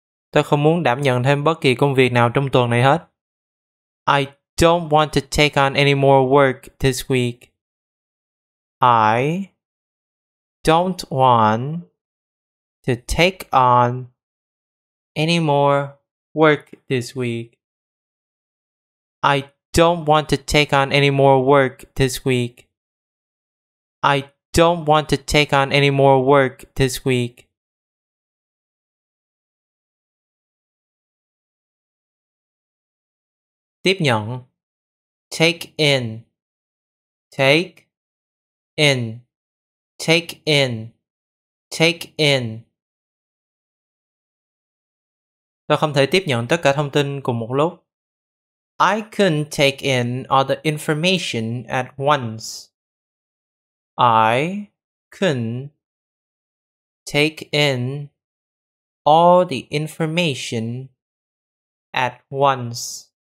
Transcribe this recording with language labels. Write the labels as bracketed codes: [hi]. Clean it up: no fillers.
[vi] Tôi không muốn đảm nhận thêm bất kỳ công việc nào trong tuần này hết. [en] I don't want to take on any more work this week. I don't want to take on any more work this week. I don't want to take on any more work this week. I don't want to take on any more work this week. [vi] Tiếp nhận. [en] Take in. Take in. Take in. Take in. [vi] Tôi không thể tiếp nhận tất cả thông tin cùng một lúc. [en] I couldn't take in all the information at once. I couldn't take in all the information at once.